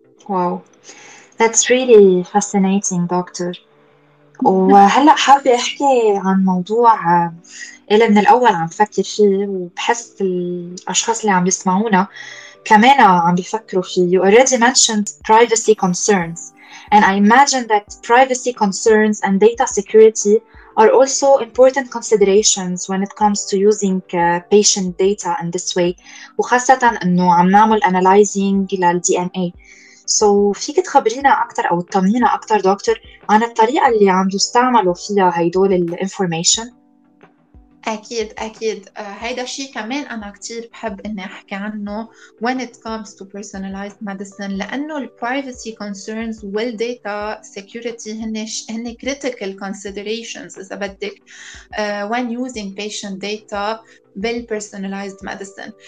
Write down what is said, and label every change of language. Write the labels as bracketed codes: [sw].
[en] Wow, that's really fascinating, doctor. [ar] وهلأ حابة أحكي عن موضوع اللي من الأول عم بفكر فيه وبحس الأشخاص اللي عم بيسمعونا كمان عم بيفكروا فيه. [en] You already mentioned privacy concerns. And I imagine that privacy concerns and data security are also important considerations when it comes to using patient data in this way. [ar] وخاصة أنه عم نعمل analyzing للDNA. So فيك تخبرينا أكتر أو تطمنينا أكتر دكتور عن الطريقة اللي عم تستعملوا فيها هيدول الانفورميشن. أكيد. هيدا شيء كمان أنا كتير بحب إني أحكي عنه [en] when it comes to personalized medicine [ar] لأنه الـ privacy concerns والـ data security هن critical considerations إذا بدك [en] when using patient data [ar] بالـ personalized medicine.